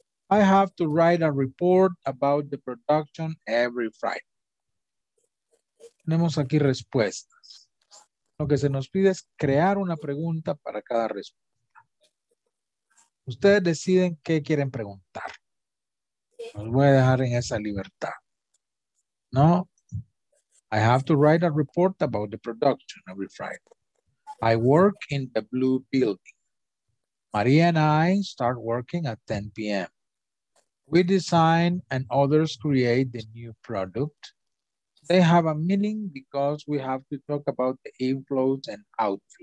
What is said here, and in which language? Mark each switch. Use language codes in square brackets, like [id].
[en] I have to write a report about the production every Friday. [es] Tenemos aquí respuestas. Lo que se nos pide es crear una pregunta para cada respuesta. Ustedes deciden qué quieren preguntar. Los voy a dejar en esa libertad, ¿no? [en] I have to write a report about the production every Friday. I work in the blue building. Maria and I start working at 10 p.m. We design and others create the new product. They have a meeting because we have to talk about the inflows and outflows.